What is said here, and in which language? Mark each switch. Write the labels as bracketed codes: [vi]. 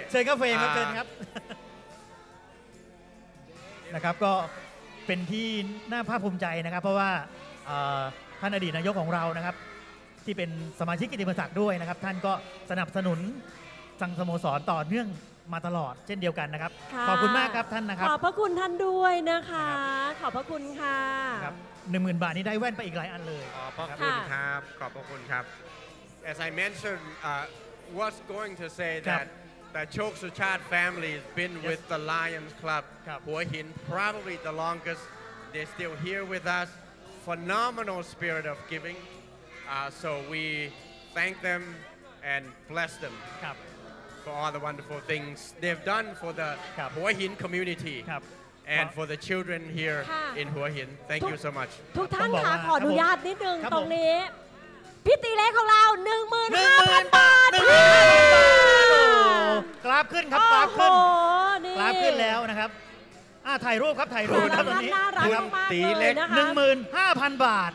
[th] เชิญเข้าเฟรมครับเชิญครับนะครับก็เป็นที่น่าภาคภูมิใจนะครับเพราะว่าท่านอดีตนายกของเรานะครับที่เป็นสมาชิกกิตติมศักดิ์ด้วยนะครับท่านก็สนับสนุนทางสโมสรต่อเนื่องมาตลอดเช่นเดียวกันนะครับขอบคุณมากครับท่านนะครับ ขอบพระคุณท่านด้วยนะคะขอบพระคุณค่ะ ครับ 10,000 บาทนี้ได้แว่นไปอีกหลายอันเลย ขอบพระคุณครับขอบพระคุณครับ [en] As I mentioned was going to say that the Chok Suchat family has been with the Lions Club Hua Hin probably the longest they're still here with us phenomenal spirit of giving so we thank them and bless them [th] ครับ [en] For all the wonderful things they've done for the Hua Hin community and for the children here in Hua Hin. Thank you so much. [th] ทุกท่านค่ะขออนุญาตนิดนึงตรงนี้ พี่ตีเล็กของเรา 15,000 บาท 15,000 บาท กราฟขึ้นครับกราฟขึ้ น โอ้นี่ กราฟขึ้นแล้วนะครับถ่ายรูปครับถ่ายรูปครับตอนนี้คุณ ตีเล็ ก 15,000 บาท